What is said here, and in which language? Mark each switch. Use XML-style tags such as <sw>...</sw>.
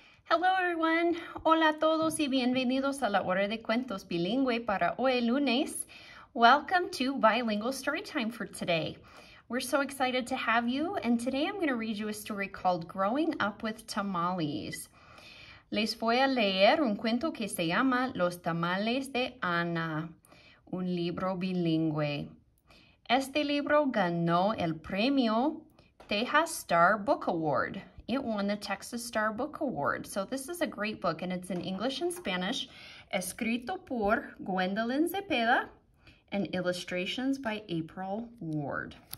<en>Hello everyone,</en> <es>hola a todos y bienvenidos a la hora de cuentos bilingüe para hoy lunes.</es> <en>Welcome to Bilingual Storytime for today. We're so excited to have you, and today I'm going to read you a story called Growing Up with Tamales.</en> <es>Les voy a leer un cuento que se llama Los Tamales de Ana, un libro bilingüe. Este libro ganó el premio Texas Star Book Award.</es> <en>It won the Texas Star Book Award. So this is a great book, and it's in English and Spanish.</en> <es>Escrito por</es> <en>Gwendolyn Zepeda, and illustrations by April Ward.</en>